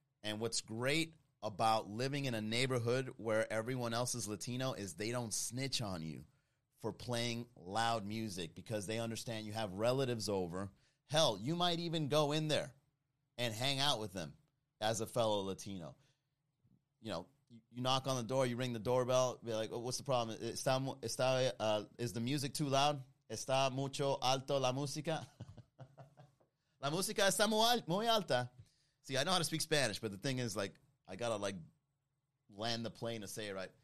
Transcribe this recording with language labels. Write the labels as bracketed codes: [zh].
[en] And what's great about living in a neighborhood where everyone else is Latino is they don't snitch on you for playing loud music because they understand you have relatives over. Hell, you might even go in there and hang out with them. As a fellow Latino, you know, you knock on the door, you ring the doorbell, be like, oh, what's the problem? Is the music too loud? [es] Está mucho alto la música? La música está muy alta. [en] See, I know how to speak Spanish, but the thing is, like, I got to, like, land the plane to say it right.